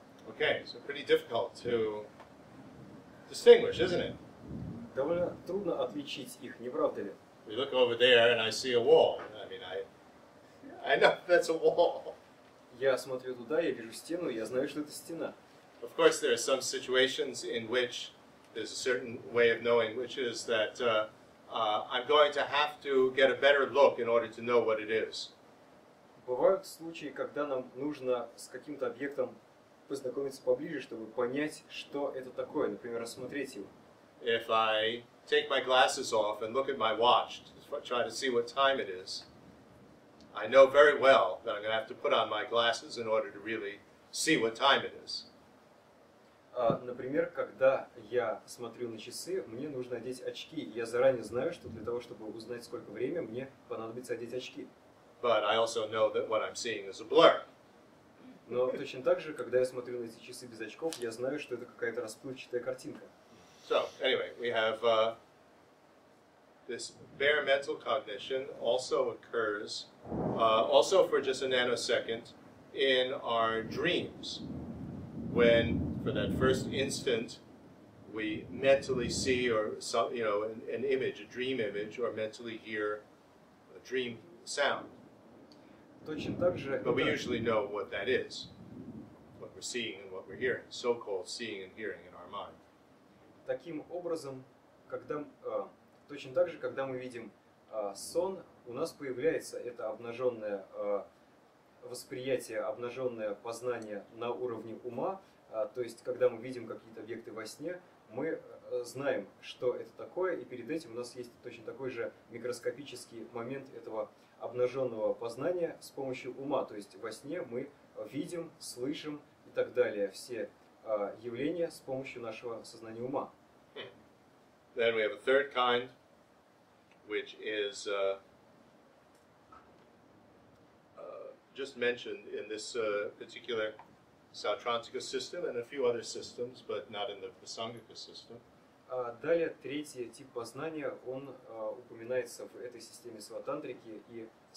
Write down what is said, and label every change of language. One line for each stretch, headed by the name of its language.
English: Okay, so pretty difficult to distinguish, isn't it?
Russian: Довольно трудно отличить их, не правда ли?
English: We look over there and I see a wall. I mean, I know that's a wall.
Russian: Я смотрю туда, я вижу стену, я знаю, что это стена.
English: Of course, there are some situations in which there's a certain way of knowing, which is that I'm going to have to get a better look in order to know what it is.
Russian: Бывают случаи, когда нам нужно с каким-то объектом познакомиться поближе, чтобы понять, что это такое, например, рассмотреть его.
English: If I take my glasses off and look at my watch to try to see what time it is, I know very well that I'm going to have to put on my glasses in order to really see what time it is.
Russian: Например, когда я смотрю на часы, мне нужно одеть очки. Я заранее знаю, что для того, чтобы узнать, сколько время, мне понадобится одеть очки.
English: But I also know that what I'm seeing is a blur.
Russian: Но точно так же, когда я смотрю на эти часы без очков, я знаю, что это какая-то расплывчатая картинка.
English: So, anyway, we have this bare mental cognition also occurs, also for just a nanosecond, in our dreams, when for that first instant we mentally see or some, you know, an image, a dream image, or mentally hear a dream sound.
Russian: Точно так же,
English: but we usually know what that is, what we're seeing and what we're hearing, so-called seeing and hearing in our mind.
Russian: Таким образом, когда точно так же, когда мы видим сон, у нас появляется это обнаженное восприятие, обнаженное познание на уровне ума, то есть когда мы видим какие-то объекты во сне, мы знаем, что это такое, и перед этим у нас есть точно такой же микроскопический момент этого обнаженного познания с помощью ума, то есть во сне мы видим, слышим и так далее все явления с помощью нашего сознания ума.
English: Then we have a third kind, which is just mentioned in this particular Sautrantika system and a few other systems, but not in the Prasangika system.
Russian: Далее третий тип познания, он упоминается в этой системе Сватантрики и